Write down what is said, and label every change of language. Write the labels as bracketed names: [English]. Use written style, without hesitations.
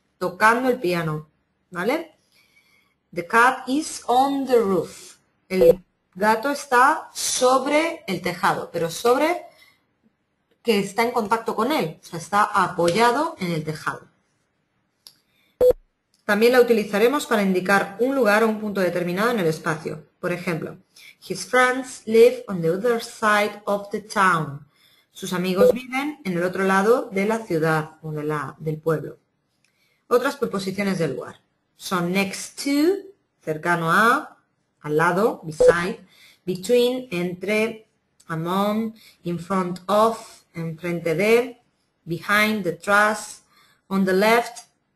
[Spanish] Tocando el piano, ¿vale? [English] The cat is on the roof. [Spanish] El gato está sobre el tejado, pero sobre que está en contacto con él. O sea, está apoyado en el tejado. También la utilizaremos para indicar un lugar o un punto determinado en el espacio. Por ejemplo, [English] his friends live on the other side of the town. [Spanish] Sus amigos viven en el otro lado de la ciudad o del pueblo. Otras preposiciones del lugar son next to, cercano a, al lado, beside, between, entre, among, in front of, en frente de, behind, detrás, on the left,